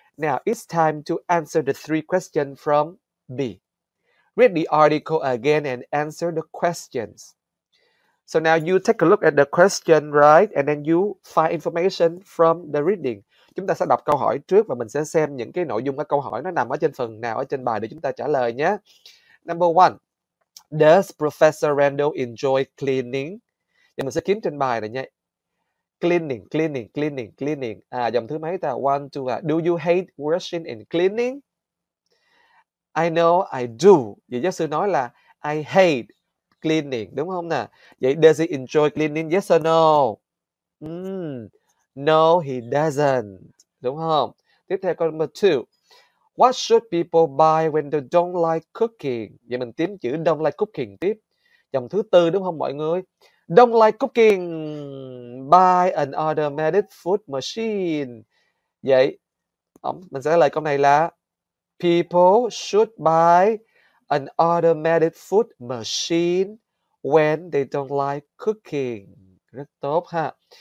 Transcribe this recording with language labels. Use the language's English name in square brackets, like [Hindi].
[English] Now it's time to answer the three questions from B. Read the article again and answer the questions. So now you take a look at the question, right? And then you find information from the reading. [Vietnamese] Chúng ta sẽ đọc câu hỏi trước và mình sẽ xem những cái nội dung của câu hỏi nó nằm ở trên phần nào ở trên bài để chúng ta trả lời nhé. [English] Number one, does Professor Randall enjoy cleaning? [Vietnamese] Thì mình sẽ kiếm trên bài này nhé. [English] Cleaning, cleaning, cleaning, cleaning. [Vietnamese] À, dòng thứ mấy ta? [English] One, two, do you hate washing and cleaning? I know I do. [Vietnamese] Vậy giáo sư nói là [English] I hate cleaning, [Vietnamese] đúng không nè? Vậy [English] does he enjoy cleaning? Yes or no? No, he doesn't. [Vietnamese] Đúng không? Tiếp theo câu [English] number two. What should people buy when they don't like cooking? [Vietnamese] Vậy mình tìm chữ [English] don't like cooking [Vietnamese] tiếp. Dòng thứ tư đúng không mọi người? [English] Don't like cooking. Buy an automated food machine. [Vietnamese] Vậy mình sẽ trả lời câu này là [English] people should buy an automated food machine when they don't like cooking. [Vietnamese] Rất tốt ha.